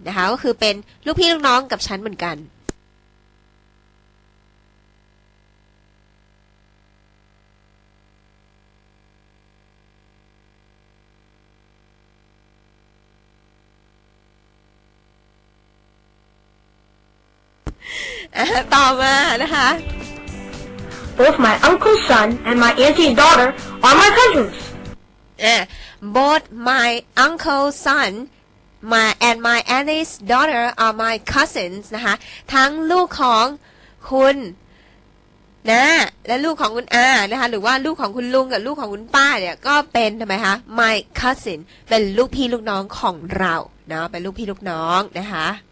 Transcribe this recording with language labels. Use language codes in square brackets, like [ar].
[th] นะคะก็คือเป็นลูกพี่ลูกน้องกับฉันเหมือนกันต่อมานะคะ [en] Both my uncle's son and my auntie's daughter are my cousins. Both my uncle's son and my auntie's daughter are my cousins [th] นะคะทั้งลูกของคุณนะและลูกของคุณอานะคะหรือว่าลูกของคุณลุงกับลูกของคุณป้าเนี่ยก็เป็นทำไมคะ my cousin เป็นลูกพี่ลูกน้องของเราเนาะเป็นลูกพี่ลูกน้องนะคะ